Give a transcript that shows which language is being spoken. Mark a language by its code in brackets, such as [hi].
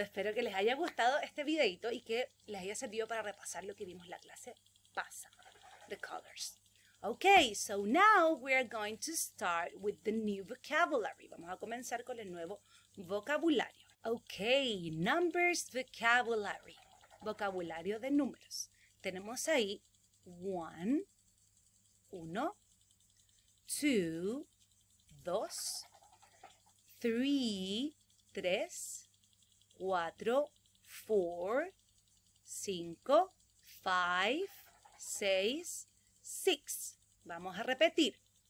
[es] Espero que les haya gustado este videito y que les haya servido para repasar lo que vimos en la clase pasada. [en] The colors. Okay, so now we are going to start with the new vocabulary. [es] Vamos a comenzar con el nuevo vocabulario. [en] Okay, numbers vocabulary. [es] Vocabulario de números. Tenemos ahí one, uno, two, dos, three, tres, 4, 4, 5, 5, 6, 6. Vamos a repetir.